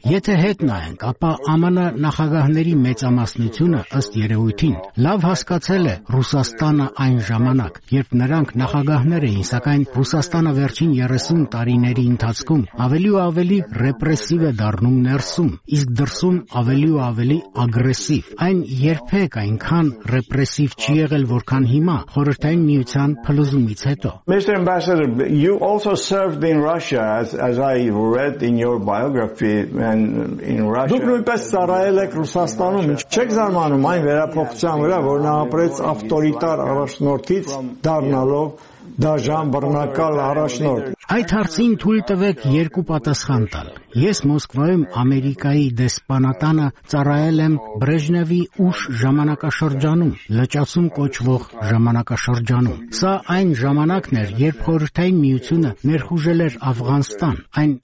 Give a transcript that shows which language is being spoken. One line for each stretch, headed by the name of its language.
Armenian: Եթե հետ նայենք, ապա ԱՄՆ-ի նախագահների մեծամասնությունը ըստ երևույթին լավ հասկացել է Ռուսաստանը այն ժամանակ, երբ նրանք նախագահներ էին, սակայն Ռուսաստանը վերջին 30 տարիների ընթացքում ավելի ու ավելի ռեպրեսիվ է դառնում ներսում, իսկ դրսում ավելի ու ավելի ագրեսիվ։ Այն երբեք այնքան ռեպրեսիվ չի եղել, որքան հիմա, խորհրդային միության փլուզումից հետո։
English: Mr. Ambassador, you also served in Russia, as I read in your biography, and in Russia.
Armenian: Դուք նույնպես ծառայել եք Ռուսաստանում, չեք զարմանում այն վերապոխության վրա, որ նա ապրեց ավտորիտար առաջնորդ kids դառնալով դաժան բռնակալ առաջնորդ։ Այդ հարցին թույլ տվեք երկու պատասխան տալ։ Ես Մոսկվայում Ամերիկայի դեսպանատանը ծառայել եմ Բրեժնևի ուշ ժամանակաշրջանում, լճացում կոչվող ժամանակաշրջանում։ Սա այն ժամանակն էր, երբ Խորհրդային Միությունը ներխուժել էր Աֆղանստան, այն